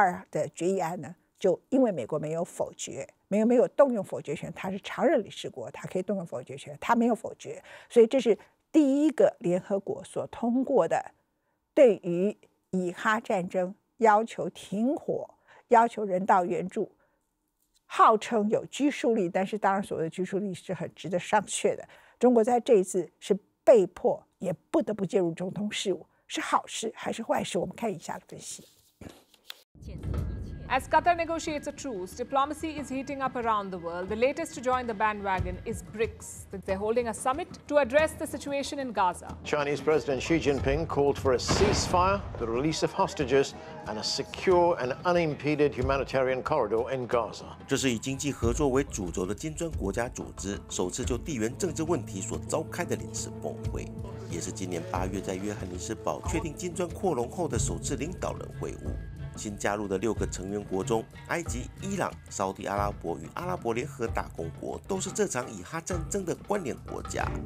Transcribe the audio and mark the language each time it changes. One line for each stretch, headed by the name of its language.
Chinese: 的决议案呢，就因为美国没有否决，没有动用否决权，他是常任理事国，他可以动用否决权，他没有否决，所以这是第一个联合国所通过的对于以哈战争要求停火、要求人道援助，号称有拘束力，但是当然所谓的拘束力是很值得商榷的。中国在这一次是被迫也不得不介入中东事务，是好事还是坏事？我们看以下的分析。
English: As Qatar negotiates a truce, diplomacy is heating up around the world. The latest to join the bandwagon is BRICS. They're holding a summit to address the situation in Gaza. Chinese President Xi Jinping called for a ceasefire, the release of hostages, and a secure and unimpeded humanitarian corridor in Gaza.
Chinese: 这是以经济合作为主轴的金砖国家组织首次就地缘政治问题所召开的临时峰会，也是今年8月在约翰尼斯堡确定金砖扩容后的首次领导人会晤。新加入的六个成员国中，埃及、伊朗、沙特阿拉伯与阿拉伯联合大公国都是这场以哈战争的关联国家。